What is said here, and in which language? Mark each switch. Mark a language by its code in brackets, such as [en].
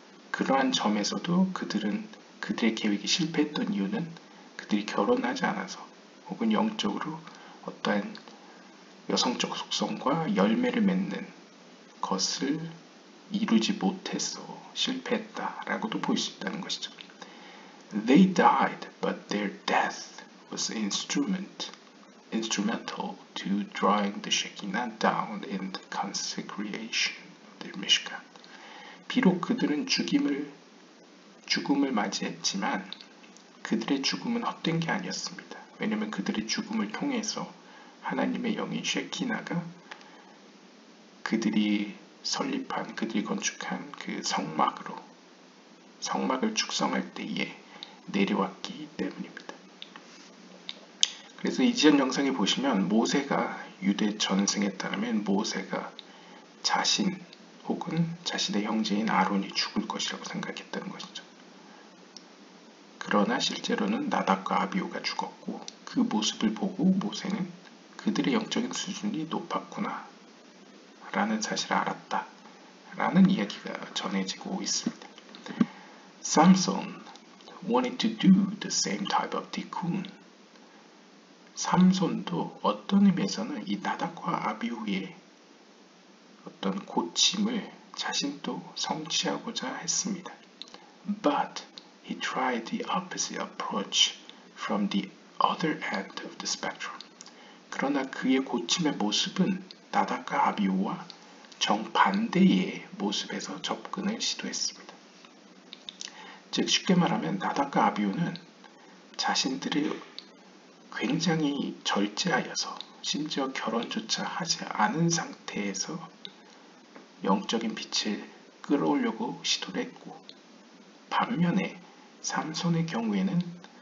[ko] 그러한 점에서도 그들은 그들의 계획이 실패했던 이유는 그들이 결혼하지 않아서 혹은 영적으로 어떠한 여성적 속성과 열매를 맺는 것을 이루지 못했어 실패했다라고도 볼 수 있다는 것이죠. [en] They died, but their death was instrumental to drawing the Shekinah down in the consecration of the Mishkan. [ko] 비록 그들은 죽음을 맞이했지만 그들의 죽음은 헛된 게 아니었습니다. 왜냐하면 그들의 죽음을 통해서 하나님의 영인 쉐키나가 그들이 설립한 그들이 건축한 그 성막으로 성막을 축성할 때에 내려왔기 때문입니다. 그래서 이전 영상에 보시면 모세가 유대 전승에 따르면 모세가 자신 혹은 자신의 형제인 아론이 죽을 것이라고 생각했다는 것이죠. 그러나 실제로는 나답과 아비후가 죽었고 그 모습을 보고 모세는 그들의 영적인 수준이 높았구나 라는 사실을 알았다 라는 이야기가 전해지고 있습니다. [en] Samson wanted to do the same type of tikkun. [ko] 삼손도 어떤 의미에서는 이 나답과 아비후의 어떤 고침을 자신도 성취하고자 했습니다. [en] But he tried the opposite approach from the other end of the spectrum. [ko] 그러나 그의 고침의 모습은 나답과 아비후와 정반대의 모습에서 접근을 시도했습니다. 즉 쉽게 말하면 나답과 아비후는 자신들이 굉장히 절제하여서 심지어 결혼조차 하지 않은 상태에서 영적인 빛을 끌어올려고 시도를 했고 반면에 삼손의 경우에는